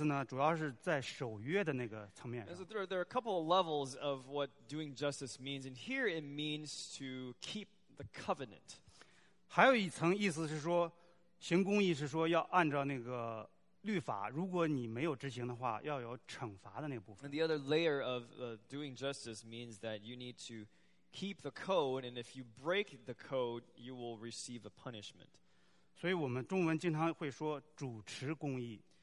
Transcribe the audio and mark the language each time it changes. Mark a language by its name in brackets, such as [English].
[Chinese] 好，关于这个公义呢，有两层意思。那这里边这里的意思呢，主要是在守约的那个层面上。 [English] So there are a couple of levels of what doing justice means, and here it means to keep the covenant. [Chinese] 还有一层意思是说。行公义是说要按照那个律法，如果你没有执行的话，要有惩罚的那部分。 [English] And the other layer of doing justice means that you need to keep the code, and if you break the code, you will receive a punishment. [Chinese] 所以我们中文经常会说主持公义。